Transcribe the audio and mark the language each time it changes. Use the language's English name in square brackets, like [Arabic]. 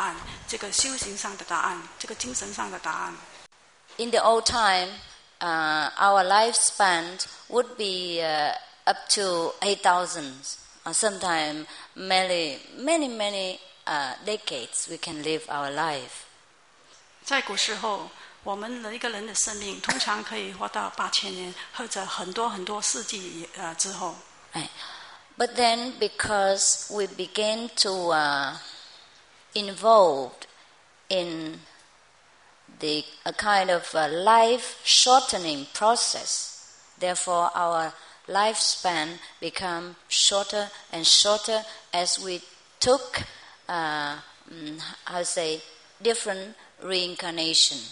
[Chinese] 在我们这个短暂的人生，我们最多只能够活到不超过100岁，所以我们要很快的找到这个答案，这个修行上的答案，这个精神上的答案。 [English] In the old time, our lifespan would be up to 8,000, sometimes many decades we can live our life. [Chinese] 在古时候， 我们一个人的生命通常可以活到8000年，或者很多很多世纪之后。 [English] But then, because we begin to involved in the a kind of a life shortening process, therefore our lifespan become shorter and shorter as we took different reincarnation.